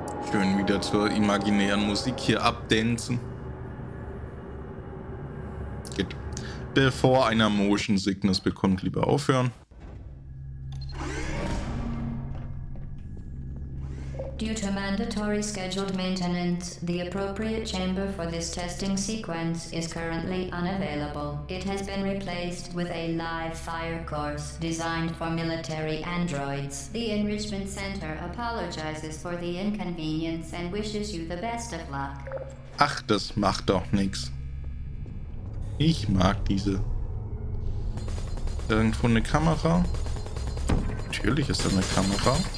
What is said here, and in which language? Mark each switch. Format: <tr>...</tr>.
<de>Schön wieder zur imaginären Musik hier abdancen. Gut. Bevor einer Motion Sickness bekommt, lieber aufhören.</de> <en>Due to mandatory scheduled maintenance, the appropriate chamber for this testing sequence is currently unavailable. It has been replaced with a live fire course designed for military androids. The Enrichment Center apologizes for the inconvenience and wishes you the best of luck.</en> <de>Ach, das macht doch nichts. Ich mag diese. Irgendwo eine Kamera? Natürlich ist da eine Kamera.</de>